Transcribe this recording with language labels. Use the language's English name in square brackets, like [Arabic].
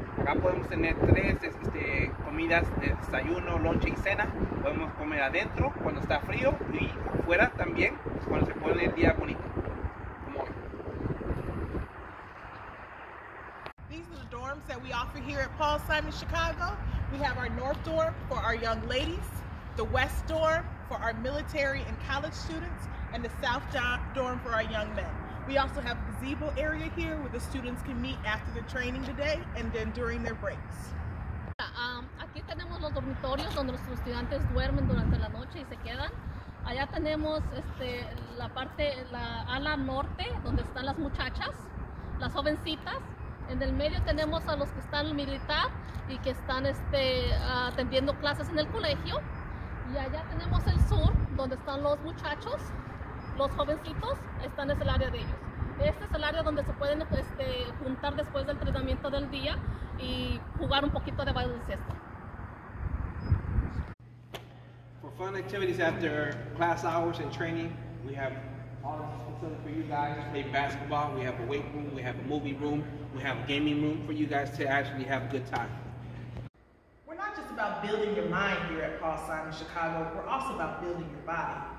[Spanish] Acá podemos tener tres comidas de desayuno, lonche y cena. Podemos comer adentro cuando está frío y afuera también cuando se pone el día bonito. Como hoy. [English] These are the dorms that we offer here at Paul Simon Chicago. We have our north dorm for our young ladies, the west dorm for our military and college students, and the south dorm for our young men. We also have a gazebo area here where the students can meet after the training today and then during their breaks. [Spanish] Aquí tenemos los dormitorios donde los estudiantes duermen durante la noche y se quedan. Allá tenemos la parte, la ala norte, donde están las muchachas, las jovencitas. En el medio tenemos a los que están militar y que están atendiendo clases en el colegio. Y allá tenemos el sur, donde están los muchachos. Los jovencitos están en el área de ellos. Este es el área donde se pueden juntar después del entrenamiento del día y jugar un poquito de baloncesto. [English] For fun activities after class hours and training, we have all this facility for you guys to play basketball. We have a weight room, we have a movie room, we have a gaming room for you guys to actually have a good time. We're not just about building your mind here at Paul Simon Chicago, we're also about building your body.